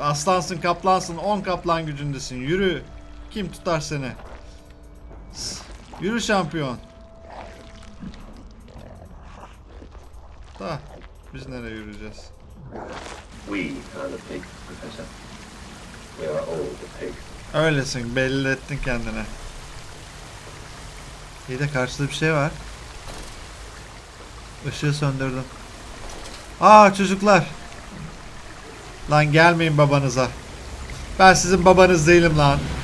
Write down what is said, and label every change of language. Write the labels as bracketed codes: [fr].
[tr] Aslansın, kaplansın, on kaplan gücündesin. Yürü. Kim tutar seni? Yürü şampiyon. Ta, biz nereye yürüyeceğiz? [en] We are the pig, professor. We are all the pig. [tr] Öylesin, belli ettin kendine. İyi de karşıda bir şey var. Işığı söndürdüm. Aa çocuklar. Lan gelmeyin babanıza. Ben sizin babanız değilim lan.